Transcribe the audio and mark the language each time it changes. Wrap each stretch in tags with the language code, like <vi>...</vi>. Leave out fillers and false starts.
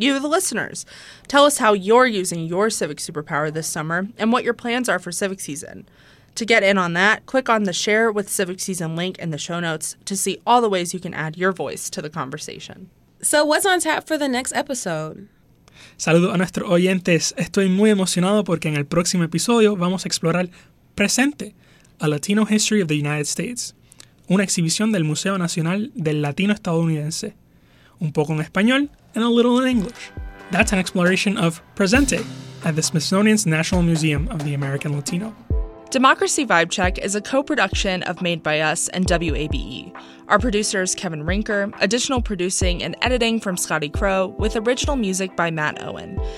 <en>You, the listeners, tell us how you're using your civic superpower this summer and what your plans are for civic season. To get in on that, click on the Share with Civic Season link in the show notes to see all the ways you can add your voice to the conversation. So what's on tap for the next episode?</en> <es>Saludos a nuestros oyentes. Estoy muy emocionado porque en el próximo episodio vamos a explorar Presente, a Latino History of the United States, una exhibición del Museo Nacional del Latino Estadounidense, un poco en español</es> <en>and a little in English. That's an exploration of Presente at the Smithsonian's National Museum of the American Latino. Democracy Vibe Check is a co-production of Made by Us and WABE. Our producer is Kevin Rinker, additional producing and editing from Scotty Crow, with original music by Matt Owen.</en>